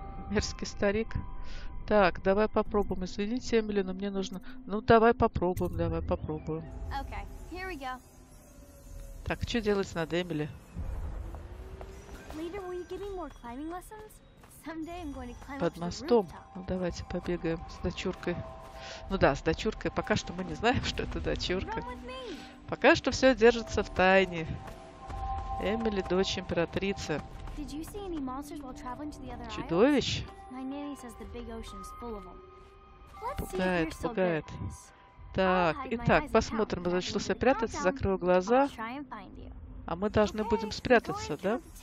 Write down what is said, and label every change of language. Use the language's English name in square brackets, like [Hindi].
[Russian] Мерзкий старик. Так, давай попробуем. Извините, Эмили, но мне нужно... Ну, давай попробуем. [English] Okay, here we go. [Russian] Так, что делать надо, Эмили? [English] Later, will you give me more climbing lessons? Someday I'm going to climb up to the rooftop. [Russian] Под мостом. Ну, давайте побегаем с дочуркой. Ну да, с дочуркой. Пока что мы не знаем, что это дочурка. Пока что все держится в тайне. Эмили, дочь императрицы. [English] Did you see any monsters while traveling to the other island? [Russian] Чудовищ? [English] My nanny says the big ocean's full of them. [Russian] Пугает, пугает. Так, итак, посмотрим. Зачался прятаться, закрыл глаза. А мы должны будем спрятаться, да?